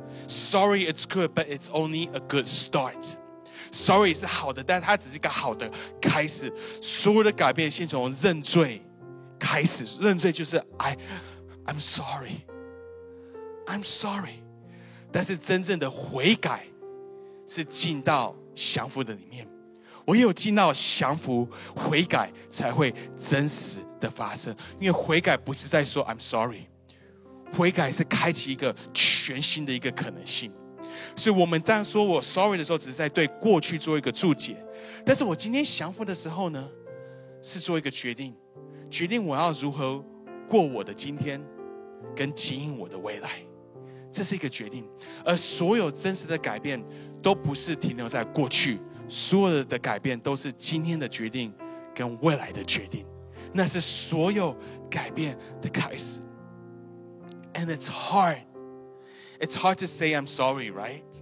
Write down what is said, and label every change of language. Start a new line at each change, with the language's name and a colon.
English: Sorry, it's good, but it's only a good start.
Chinese: Sorry 是好的，但它只是一个好的开始。所有的改变先从认罪开始。认罪就是
English: I'm sorry.
Chinese: 但是真正的悔改是进到降服的里面。唯有进到降服，悔改才会真实的发生。因为悔改不是在说
English: I'm sorry。
Chinese: 悔改是开启一个全新的一个可能性，所以我们这样说我 sorry 的时候，只是在对过去做一个注解。但是我今天降服的时候呢，是做一个决定，决定我要如何过我的今天，跟经营我的未来，这是一个决定。而所有真实的改变，都不是停留在过去，所有的改变都是今天的决定，跟未来的决定，那是所有改变的开始。
English: And it's hard to say I'm sorry, right?